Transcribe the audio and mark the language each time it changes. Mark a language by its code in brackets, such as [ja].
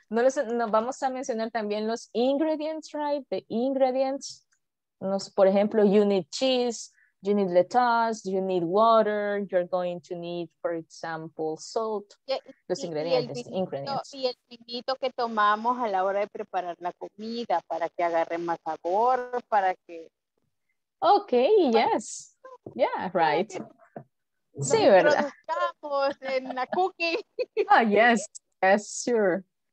[es] No les, nos vamos a mencionar también los ingredients, right? [en] The ingredients. [es] Nos, por ejemplo, [en] you need cheese, you need lettuce, you need water, you're going to need, for example, salt. [es] Los ingredientes, ingredients. Y el vinito que tomamos a la hora de preparar la comida para que agarre más sabor, para que. [en] Okay, yes. Yeah, right. [es] Sí, ¿verdad? En la cookie. [en] Ah, yes, sure.